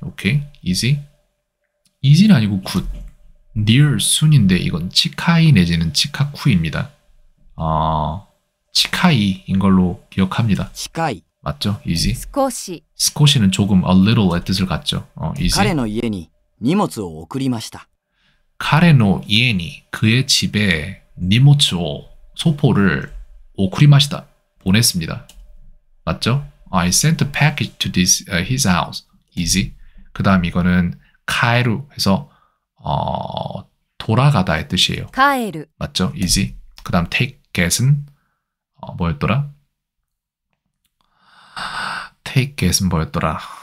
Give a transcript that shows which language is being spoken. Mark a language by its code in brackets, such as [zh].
[ko] 오케이 easy easy는 아니고 굿 near 순인데 이건 치카이 내지는 치카쿠입니다. 치카이인 걸로 기억합니다. [ja] 近い. [ko] 맞죠? easy. [ja] 少し. [ko] 스코시는 조금 [en] a little [ko] 의 뜻을 갖죠. [en] easy. [ja] 彼の家に荷物を送りました. 카레 노 이에니 [ko] 그의 집에 [ja] 니모츠오 [ko] 소포를 [ja] 오크리마시다 [ko] 보냈습니다. 맞죠? [en] I sent a package to this his house. easy. [ko] 그다음 이거는 카에루 해서 돌아가다의 뜻이에요. [ja] 帰る. [ko] 맞죠? easy. 그다음 take get은 뭐였더라? take get은 뭐였더라?